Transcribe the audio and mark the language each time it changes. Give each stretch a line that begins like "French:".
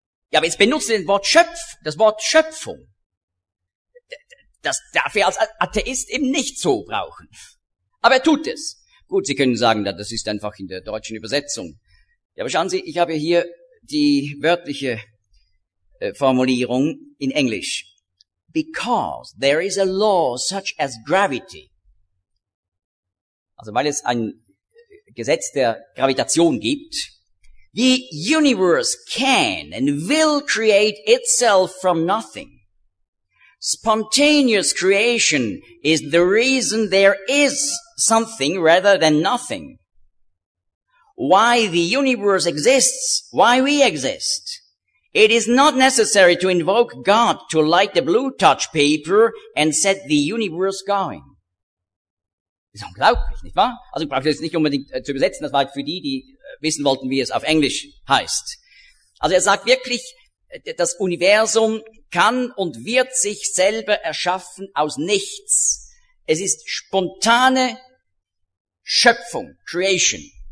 German: Ja, aber jetzt benutzt er das Wort Schöpfung. Das darf er als Atheist eben nicht so brauchen. Aber er tut es. Gut, Sie können sagen, das ist einfach in der deutschen Übersetzung. Ja, aber schauen Sie, ich habe hier die wörtliche Formulierung in Englisch.
English: Because there is a law such as gravity.
German: Also weil es ein Gesetz der Gravitation gibt.
English: The universe can and will create itself from nothing. Spontaneous creation is the reason there is something rather than nothing. Why the universe exists, why we exist. It is not necessary to invoke God to light the blue touch paper and set the universe going.
German: Das ist unglaublich, nicht wahr? Also ich brauche das nicht unbedingt zu übersetzen, das war für die, die wissen wollten, wie es auf Englisch heißt. Also er sagt wirklich, das Universum kann und wird sich selber erschaffen aus nichts. Es ist spontane Schöpfung, Creation.